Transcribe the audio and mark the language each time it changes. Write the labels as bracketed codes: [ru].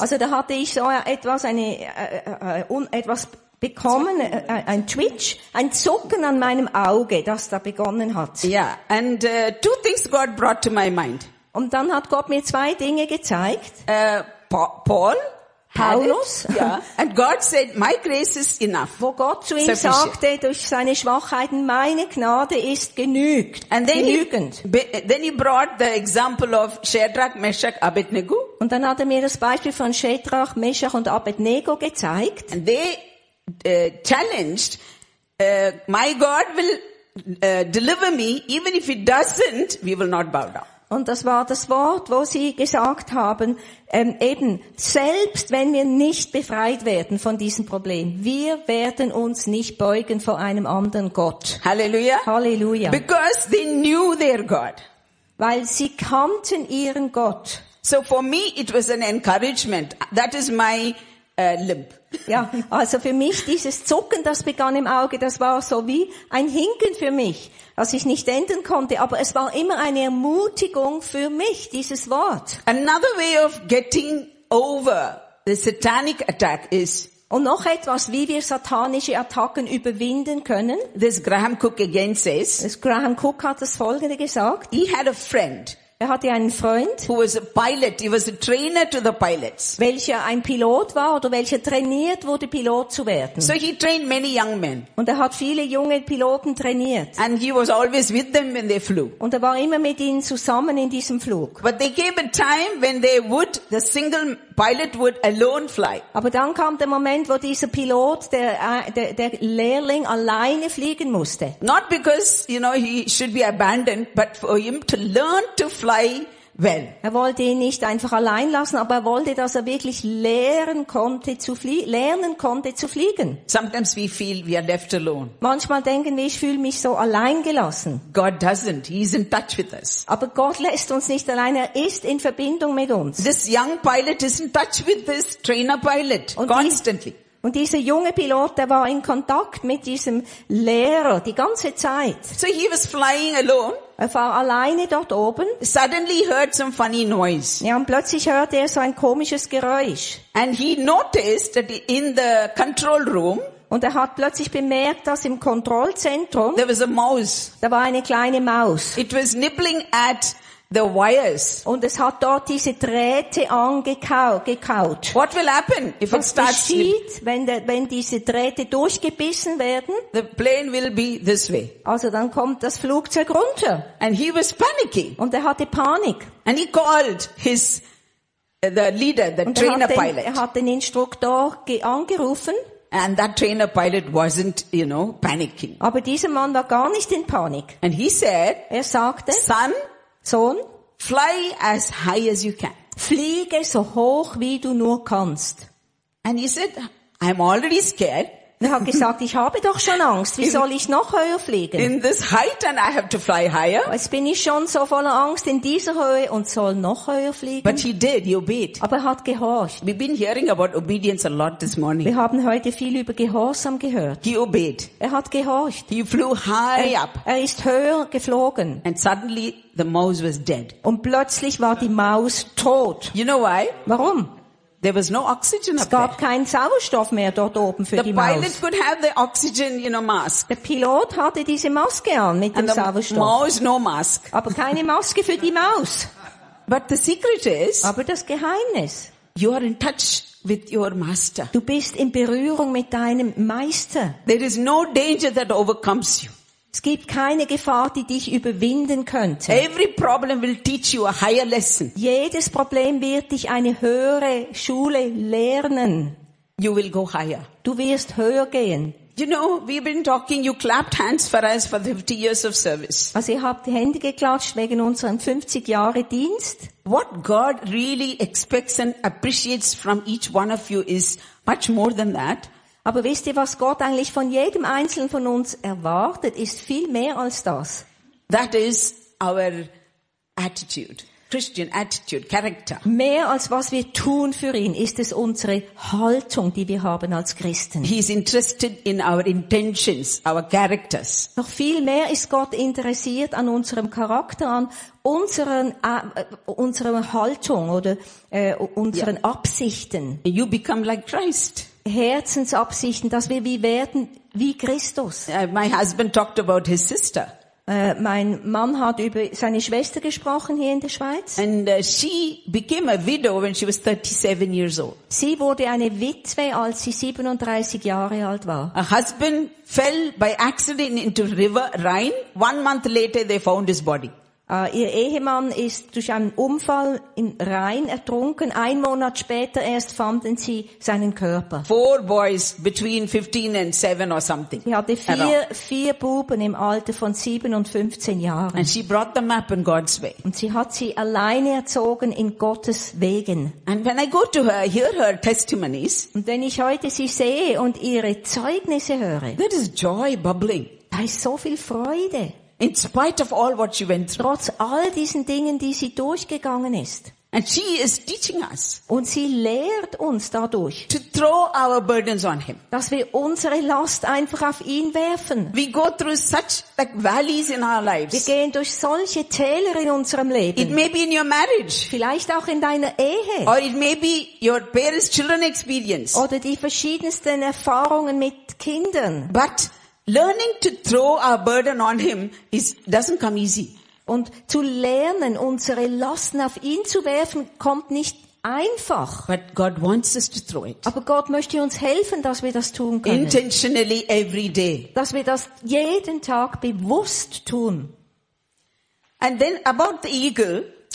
[de] Also da hatte ich so etwas bekommen, ein Twitch, ein Zucken an meinem Auge, das da begonnen hat. [en] Yeah, and two things God brought to my mind. [de] Und dann hat Gott mir zwei Dinge gezeigt. [en] Paulus. And God said, my grace is enough. [de] Wo Gott zu ihm sagte, durch seine Schwachheiten, meine Gnade ist genügt. [en] And then he brought the example of Shadrach, Meshach, Abednego. [de] Und dann hat er mir das Beispiel von Shadrach, Meshach und Abednego gezeigt. [en] And they challenged, my God will deliver me, even if he doesn't, we will not bow down. [de] Und das war das Wort, wo sie gesagt haben, eben, selbst wenn wir nicht befreit werden von diesem Problem, wir werden uns nicht beugen vor einem anderen Gott. [en] Halleluja. [de] Halleluja. [en] Because they knew their God. [de] Weil sie kannten ihren Gott. [en] So for me it was an encouragement. That is my limp. [de] Ja, also für mich dieses Zucken, das begann im Auge, das war so wie ein Hinken für mich, das ich nicht enden konnte, aber es war immer eine Ermutigung für mich, dieses Wort. [en] Another way of getting over the satanic attack is, [de] und noch etwas, wie wir satanische Attacken überwinden können. [en] This Graham Cook again says, [de] Graham Cook hat das Folgende gesagt. [en] He had a friend. [de] Er hatte einen Freund, [en] who was a pilot, he was a trainer to the pilots. [de] Welcher ein Pilot war oder welcher trainiert wurde, Pilot zu werden. [en] So he trained many young men. [de] Und er hat viele junge Piloten trainiert. [en] And he was always with them when they flew. [de] Und er war immer mit ihnen zusammen in diesem Flug. [en] But they came a time when they would, the single pilot would alone fly. [de] Aber dann kam der Moment, wo dieser Pilot, der Lehrling, alleine fliegen musste. [en] Not because, you know, he should be abandoned, but for him to learn to fly well. [de] Er wollte ihn nicht einfach allein lassen, aber er wollte, dass er wirklich lernen konnte zu fliegen. [en] Sometimes we feel we are left alone. [de] Manchmal denken wir, ich fühle mich so allein gelassen. [en] God doesn't. He's in touch with us. [de] Aber Gott lässt uns nicht allein. Er ist in Verbindung mit uns. [en] This young pilot is in touch with this trainer pilot constantly. [de] Und dieser junge Pilot, der war in Kontakt mit diesem Lehrer die ganze Zeit. [en] So he was flying alone. [de] Er war alleine dort oben. [en] Suddenly heard some funny noise. [de] Ja, und plötzlich hörte er so ein komisches Geräusch. [en] And he noticed that in the control room. [de] Und er hat plötzlich bemerkt, dass im Kontrollzentrum. [en] There was a mouse. [de] Da war eine kleine Maus. [en] It was nibbling at the wires. [de] Und es hat dort diese Drähte angekaut. [en] What will happen if [de] was [en] it starts [de] geschieht, wenn diese Drähte durchgebissen werden? [en] The plane will be this way. [de] Also dann kommt das Flugzeug runter. [en] And he was panicky. [de] Und er hatte Panik. [en] And he called his the leader, the trainer pilot. [de] Er hat den Instruktor angerufen. [en] And that trainer pilot wasn't, you know, panicking. [de] Aber dieser Mann war gar nicht in Panik. [en] And he said, [de] er sagte, [en] son. [de] Sohn, [en] fly as high as you can. [de] Fliege so hoch wie du nur kannst. [en] And he said, I'm already scared. [de] Er hat gesagt, ich habe doch schon Angst. Wie soll ich noch höher fliegen? [en] In this height and I have to fly higher. [de] Jetzt bin ich schon so voller Angst in dieser Höhe und soll noch höher fliegen. [en] But he did. He obeyed. [de] Aber er hat gehorcht. [en] We've been hearing about obedience a lot this morning. [de] Wir haben heute viel über Gehorsam gehört. [en] He obeyed. [de] Er hat gehorcht. [en] He flew high up. [de] Er ist höher geflogen. [en] And suddenly the mouse was dead. [de] Und plötzlich war die Maus tot. [en] You know why? [de] Warum? [en] There was no oxygen up there. [de] Es gab [en] there. [de] Keinen Sauerstoff mehr dort oben für [en] the [de] die Maus. [en] The pilot could have the oxygen, you know, mask. [de] Der Pilot hatte diese Maske an mit [en] and [de] dem Sauerstoff. [en] Mouse, no mask. [de] Aber keine Maske für die Maus. [en] But the secret is. [de] Aber das Geheimnis. [en] You are in touch with your master. [de] Du bist in Berührung mit deinem Meister. [en] There is no danger that overcomes you. [de] Es gibt keine Gefahr, die dich überwinden könnte. [en] Every problem will teach you a higher lesson. [de] Jedes Problem wird dich eine höhere Schule lernen. [en] You will go higher. [de] Du wirst höher gehen. [en] You know, we've been talking, you clapped hands for us for 50 years of service. [de] Also ihr habt die Hände geklatscht wegen unserem 50 Jahre Dienst. [en] What God really expects and appreciates from each one of you is much more than that. [de] Aber wisst ihr, was Gott eigentlich von jedem Einzelnen von uns erwartet, ist viel mehr als das. [en] That is our attitude, Christian attitude, character. [de] Mehr als was wir tun für ihn, ist es unsere Haltung, die wir haben als Christen. [en] He is interested in our intentions, our characters. [de] Noch viel mehr ist Gott interessiert an unserem Charakter, an unserer Haltung oder unseren yeah. Absichten. [en] You become like Christ. [de] Herzensabsichten, dass wir wie werden wie Christus. [en] My husband talked about his sister. [de] Mein Mann hat über seine Schwester gesprochen hier in der Schweiz. [en] And she became a widow when she was 37 years old. [de] Sie wurde eine Witwe, als sie 37 Jahre alt war. [en] A husband fell by accident into river Rhine. 1 month later, they found his body. [de] Ihr Ehemann ist durch einen Unfall im Rhein ertrunken. 1 Monat später erst fanden sie seinen Körper. [en] 4 boys between 15 and 7 or something. [de] Sie hatte vier Buben im Alter von 7 und 15 Jahren. [en] And she brought them up in God's way. [de] Und sie hat sie alleine erzogen in Gottes Wegen. [en] And when I go to her, hear her testimonies. [de] Und wenn ich heute sie sehe und ihre Zeugnisse höre. [en] That is joy bubbling. [de] Da ist so viel Freude. [en] In spite of all what she went through. [de] Trotz all diesen Dingen, die sie durchgegangen ist. [en] And she is teaching us. [de] Und sie lehrt uns dadurch. [en] To throw our burdens on him. [de] Dass wir unsere Last einfach auf ihn werfen. [en] We go through such like valleys in our lives. [de] Wir gehen durch solche Täler in unserem Leben. [en] It may be in your marriage. [de] Vielleicht auch in deiner Ehe. [en] Or it may be your parents' children experience. [de] Oder die verschiedensten Erfahrungen mit Kindern. [en] But learning to throw our burden on him doesn't come easy. [de] Und zu lernen, unsere Lasten auf ihn zu werfen, kommt nicht einfach. [en] But God wants us to throw it. [de] Aber Gott möchte uns helfen, dass wir das tun können. [en] Intentionally every day. [de] Dass wir das jeden Tag bewusst tun. [en] And then about the eagle.